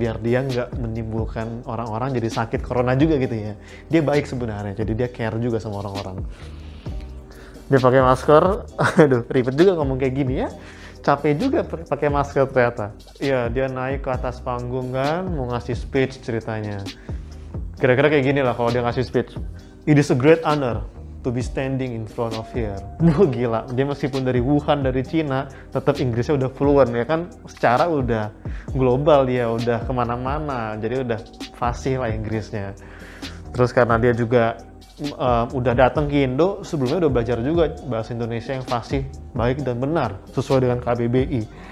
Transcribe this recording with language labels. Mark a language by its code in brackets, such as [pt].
[id] Biar dia nggak menimbulkan orang-orang jadi sakit Corona juga gitu ya. Dia baik sebenarnya. Jadi dia care juga sama orang-orang. Dia pakai masker. Aduh, ribet juga ngomong kayak gini ya. Capek juga pakai masker ternyata. Iya, dia naik ke atas panggung kan, mau ngasih speech ceritanya. Kira-kira kayak gini lah kalau dia ngasih speech. [en] It is a great honor to be standing in front of here. [id] Wah, gila. Dia meskipun dari Wuhan, dari Cina, tetap Inggrisnya udah fluent. Ya kan, secara udah global dia, udah kemana-mana. Jadi udah fasih lah Inggrisnya. Terus karena dia juga udah datang ke Indo, sebelumnya udah belajar juga bahasa Indonesia yang fasih, baik dan benar sesuai dengan KBBI.